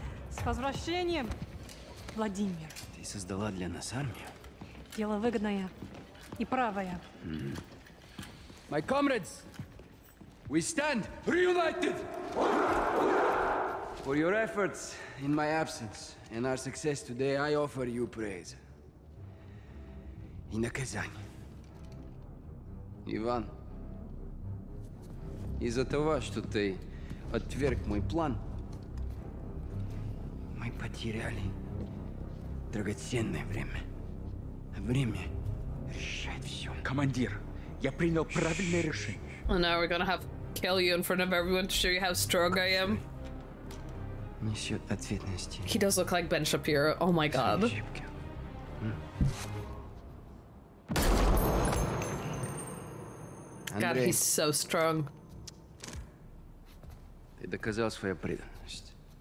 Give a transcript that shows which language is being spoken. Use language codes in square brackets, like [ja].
[ru] С возвращением, Владимир. Ты создала для нас армию. Дело выгодное и правое. [en] My comrades, we stand reunited for your efforts in my absence and our success today. I offer you praise in the Kazan. [ru] Иван, из-за того, что ты отверг мой план, мы потеряли драгоценное время. Время решает все. Командир. Я принял правильное решение. [en] And now we're gonna have kill you in front of everyone to show you how strong I am. [ru] Несет ответственности. [en] He does look like Ben Shapiro. Oh my god. God, he's so strong. [ru] Ты доказал свою преданность.